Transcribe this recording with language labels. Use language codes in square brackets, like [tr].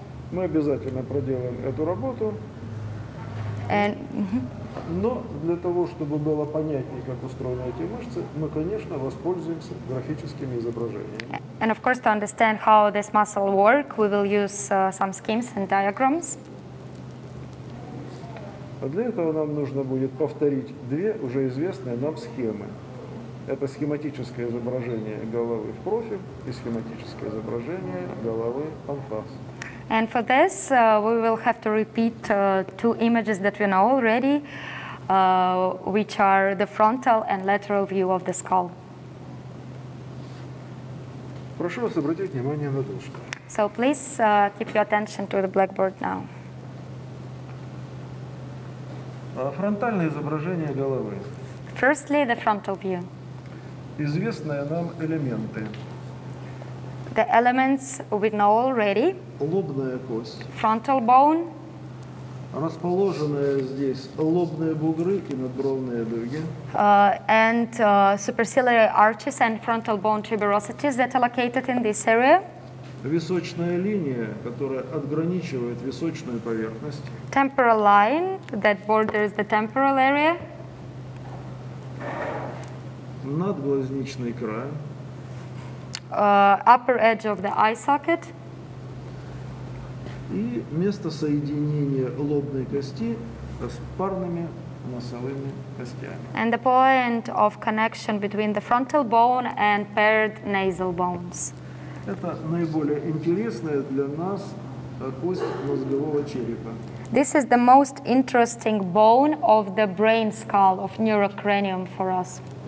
[ru] Мы обязательно проделаем эту работу. [en] And, [ru] Но для того, чтобы было понятнее, как устроены эти мышцы, мы, конечно, воспользуемся графическими изображениями. [en] And of course, to understand how this muscle work, we will use some schemes and diagrams. [ru] Для этого нам нужно будет повторить две уже известные нам схемы. Это схематическое изображение головы в профиль и схематическое изображение головы en face. [en] And for this, we will have to repeat two images that we know already, which are the frontal and lateral view of the skull. [ru] Прошу вас обратить внимание на доску. [en] So please keep your attention to the blackboard now. [ru] Фронтальное изображение головы. [en] Firstly, the frontal view. [ru] Известные нам элементы. [en] The elements we know already. [ru] Лобная кость. [en] Frontal bone. [ru] Расположенные здесь лобные бугры и надбровные дуги. [en] And superciliary arches and frontal bone tuberosities that are located in this area. [ru] Височная линия, которая отграничивает височную поверхность. [en] Temporal line that borders the temporal area. [ru] Надглазничный край. [en] Upper edge of the eye socket. [ru] И место соединения лобной кости с парными носовыми костями. [en] And the point of connection between the frontal bone and paired nasal bones. [ru] Это наиболее интересная для нас кость мозгового черепа. [en] This is the most interesting bone of the brain skull of neurocranium for us.